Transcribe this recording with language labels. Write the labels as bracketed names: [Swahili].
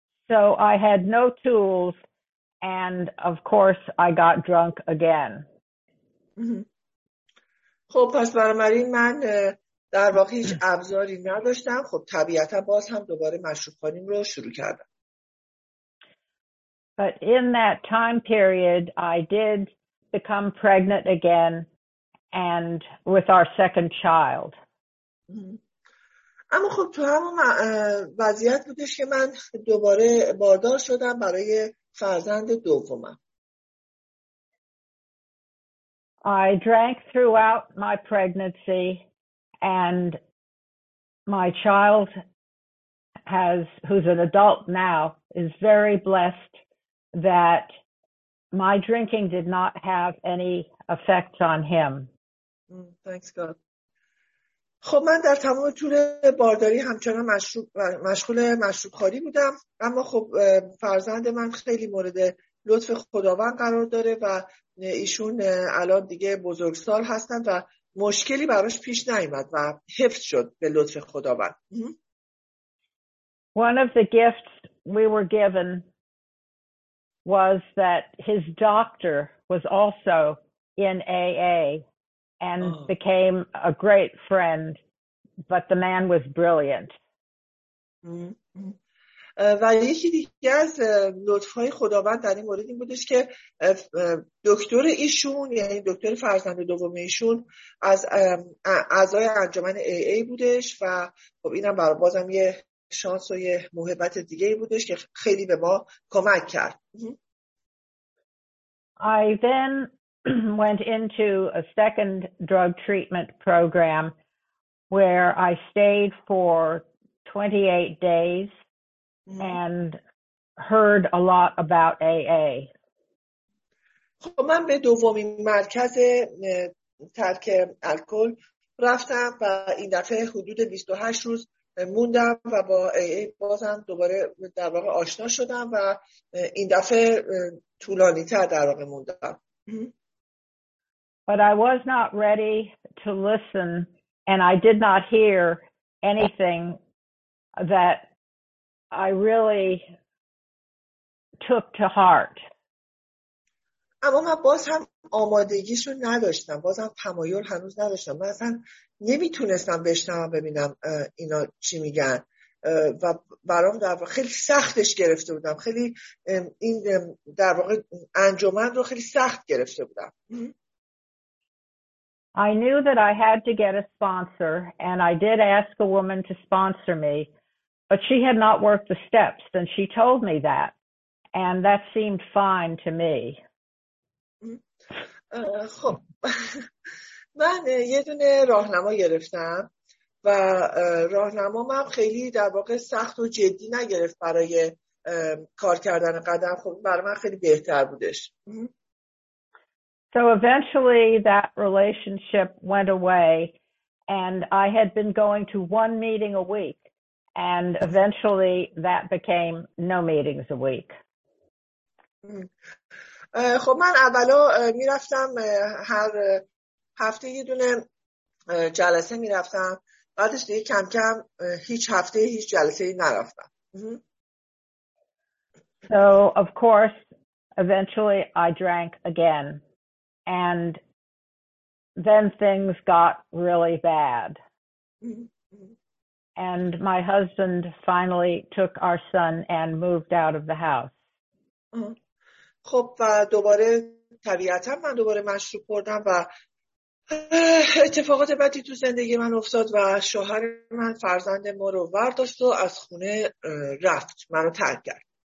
[English] So I had no tools and of course I got drunk again. [Persian] خب پس برامرین من در واقع هیچ ابزاری نداشتم، خب طبیعتا باز هم دوباره مشروب خوریم رو شروع کردم. [English] But in that time period I did become pregnant again and with our second child. [Persian] اما خب تو همون وضعیت بودش که من دوباره باردار شدم برای فرزند دومم. [English] I drank throughout my pregnancy and my child who's an adult now is very blessed that my drinking did not have any effect on him. Thanks God. [Persian] خب من در تمام طول بارداری همچنان مشغول مشروب خوری بودم، اما خب فرزند من خیلی مورد لطف خداوند قرار داره و ایشون الان دیگه بزرگسال هستن و مشکلی براش پیش نیومد و حفظ شد به لطف خداوند. [English] One of the gifts we were given was that his doctor was also in AA and became a great friend, but the man was brilliant. [Persian] و یکی دیگه از لطف‌های خداوند در این مورد این بودش که دکتر ایشون، یعنی دکتر فرزند دوم ایشون، از اعضای انجمن AA بودش و خب اینم برای بازم یه شانس و یه محبت دیگه‌ای بودش که خیلی به ما کمک کرد. [English] I then went into a second drug treatment program where I stayed for 28 days and heard a lot about AA. [Persian] خب من به دومین مرکز ترک الکل رفتم و این دفعه حدود 28 روز موندم و با AA بازم دوباره در واقع آشنا شدم و این دفعه طولانی تر در واقع موندم. [English] But I was not ready to listen and I did not hear anything that I really took to heart. [Persian] اما من باز هم آمادگیشو نداشتم. باز هم تمایل هنوز نداشتم. من اصلا نمیتونستم بشنوم ببینم اینا چی میگن. و برام در واقع خیلی سختش گرفته بودم. خیلی این در واقع انجمن رو خیلی سخت گرفته بودم. [English] I knew that I had to get a sponsor and I did ask a woman to sponsor me. But she had not worked the steps, and she told me that, and that seemed fine to me. [Persian] خب من یه دونه راهنما گرفتم و راهنمام خیلی در واقع سخت و جدی نگرفت برای کار کردن قدم. خب برای من خیلی بهتر بودش. [English] So eventually that relationship went away, and I had been going to one meeting a week. And eventually that became no meetings a week. [Persian] خب من اولا میرفتم هر هفته یه دونه جلسه میرفتم، بعدش دیگه کم کم هیچ هفته هیچ جلسه ای نرفتم. [English] So of course eventually I drank again and then things got really bad. And my husband finally took our son and moved out of the house. [Persian] خب و دوباره طبیعتاً من دوباره مشروب خوردم و اتفاقات بدی تو زندگی من افتاد و شوهر من فرزند ما رو برداشت و از خونه رفت، منو ترک کرد.